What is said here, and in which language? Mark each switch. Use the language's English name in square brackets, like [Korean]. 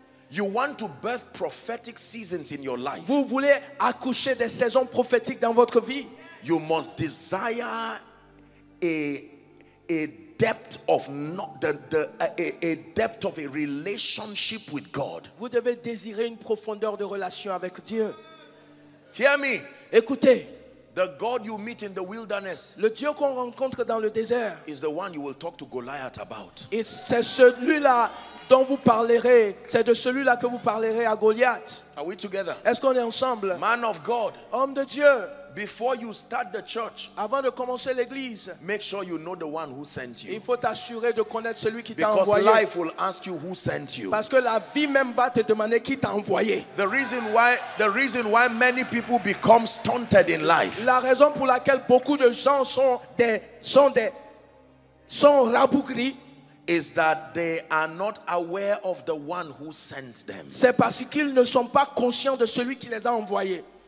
[English] You want to birth prophetic seasons in your life. [French] Vous voulez accoucher des saisons prophétiques dans votre vie. [English] You must desire a depth of not the depth of a relationship with God. [French] Vous devez désirer une profondeur de relation avec Dieu. [English] Hear me. [French] Écoutez. [English] The God you meet in the wilderness, [French] le Dieu qu'on rencontre dans le désert, [English] is the one you will talk to Goliath about. [French] Et c'est celui-là dont vous parlerez, c'est de celui-là que vous parlerez à Goliath. [English] Are we together? [French] Est-ce qu'on est ensemble? [English] Man of God, [French] homme de Dieu, [English] before you start the church, [French] avant de commencer l'église, [English] make sure you know the one who sent you. [French] Il faut t'assurer de connaître celui qui t'a envoyé. [English] Because life will ask you who sent you. [French] Parce que la vie même va te demander qui t'a envoyé. [English] The reason why many people become stunted in life. [French] La raison pour laquelle beaucoup de gens sont rabougris. [English] Is that they are not aware of the one who sent them. [French] C'est parce qu'ils ne sont pas conscients de celui qui les a envoyés.